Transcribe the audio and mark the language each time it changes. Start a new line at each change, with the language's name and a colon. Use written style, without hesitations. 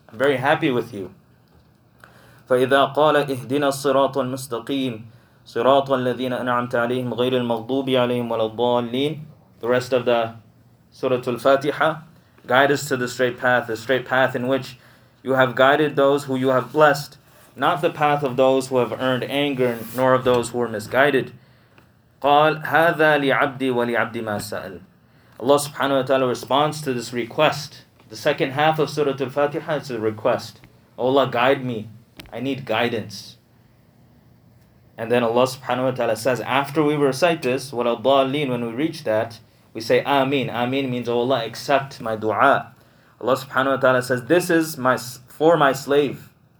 English: I'm very happy with you.
Arabic: فَإِذَا قَالَ اِهْدِنَا الصِّرَاطُ الْمُسْتَقِيمُ صِرَاطُ الَّذِينَ أَنْعَمْتَ عَلَيْهِمْ غَيْرِ الْمَغْضُوبِ عَلَيْهِمْ وَلَا الضَّالِّينَ.
English: The rest of the Surah Al-Fatiha, guide us to the straight path in which you have guided those who you have blessed, not the path of those who have earned anger, nor of those who are misguided.
Arabic: قال هذا لعبدي ولعبدي ما سأل.
English: Allah subhanahu wa ta'ala responds to this request. The second half of Surah Al-Fatiha is a request. O Allah, guide me. I need guidance. And then Allah subhanahu wa ta'ala says, after we recite this, وَلَضَّالِّينَ, when we reach that, we say, Ameen. Ameen means, O Allah, accept my dua. Allah subhanahu wa ta'ala says, this is for my slave.